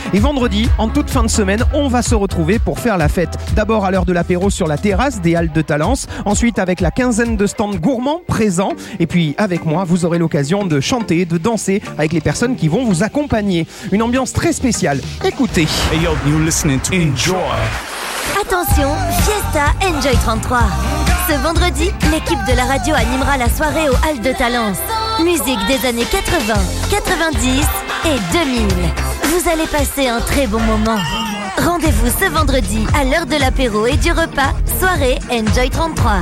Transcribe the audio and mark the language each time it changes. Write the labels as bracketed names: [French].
[French] Et vendredi, en toute fin de semaine, on va se retrouver pour faire la fête. D'abord à l'heure de l'apéro sur la terrasse des halles de Talence, ensuite avec la quinzaine de stands gourmands présents. Et puis avec moi, vous aurez l'occasion de chanter, de danser avec les personnes qui vont vous accompagner. Une ambiance très spéciale. Écoutez. [English] Hey yo, you're listening to Enjoy. [French] Attention, Fiesta Enjoy 33. Ce vendredi, l'équipe de la radio animera la soirée au Hall de Talence. Musique des années 80, 90 et 2000. Vous allez passer un très bon moment. Rendez-vous ce vendredi à l'heure de l'apéro et du repas, soirée Enjoy 33.